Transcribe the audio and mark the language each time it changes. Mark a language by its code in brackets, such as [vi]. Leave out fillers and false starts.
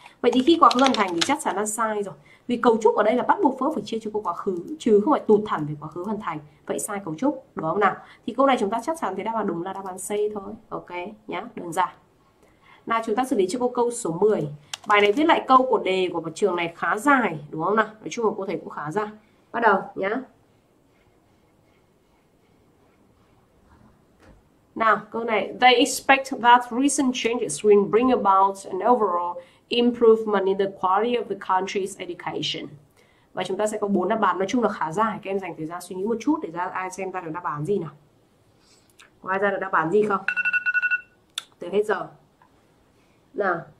[vi] Vậy thì khi quá khứ hoàn thành thì chắc chắn là sai rồi, vì cấu trúc ở đây là bắt buộc verb phải chia cho cô quá khứ chứ không phải tụt hẳn về quá khứ hoàn thành, vậy sai cấu trúc đúng không nào? Thì câu này chúng ta chắc chắn thấy đáp án đúng là đáp án C thôi, ok nhá, đơn giản. Nào chúng ta xử lý cho cô câu số 10. Bài này viết lại câu của đề của một trường này khá dài đúng không nào, nói chung là cô thấy cũng khá dài, bắt đầu nhá. Nào, câu này, [en] they expect that recent changes will bring about an overall improvement in the quality of the country's education. [vi] Và chúng ta sẽ có bốn đáp án, nói chung là khá dài, các em dành thời gian suy nghĩ một chút để ra ai xem ra được đáp án gì nào. Có ai ra được đáp án gì không? Từ hết giờ. Nào.